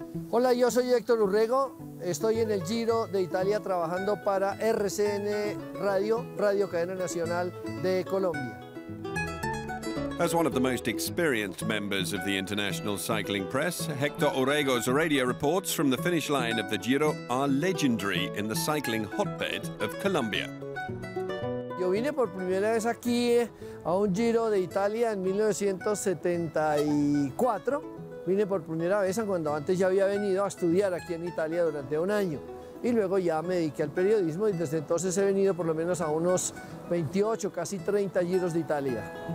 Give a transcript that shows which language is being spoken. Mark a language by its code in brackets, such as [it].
[es] Hola, yo soy Héctor Urrego, estoy en el Giro de Italia trabajando para RCN Radio, Radio Cadena Nacional de Colombia. [en] As one of the most experienced members of the international cycling press, Héctor Urrego's radio reports from the finish line of the Giro are legendary in the cycling hotbed of Colombia. [es] Yo vine por primera vez aquí a un Giro de Italia en 1974. Vine por primera vez cuando antes ya había venido a estudiar aquí en Italia durante un año. y luego ya me dediqué al periodismo y desde entonces he venido por lo menos a unos 28, casi 30 giros de Italia.